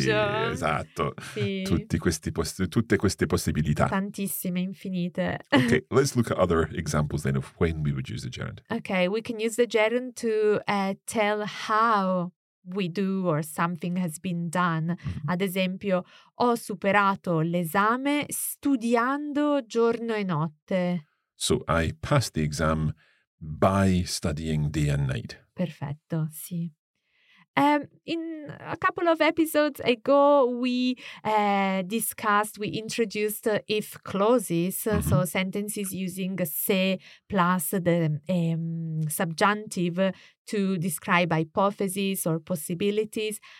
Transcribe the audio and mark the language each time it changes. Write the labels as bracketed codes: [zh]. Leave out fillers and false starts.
[it] Si, esatto. Si. Tutti questi tutte queste possibilità. Tantissime, infinite. [en] Okay, let's look at other examples then of when we would use the gerund. Okay, we can use the gerund to tell how we do or something has been done. [it] Ad esempio, ho superato l'esame studiando giorno e notte. [en] So I passed the exam by studying day and night. [it] Perfetto, sì. [en] In a couple of episodes ago, we introduced if clauses, mm-hmm. so sentences using se plus the subjunctive to describe hypotheses or possibilities.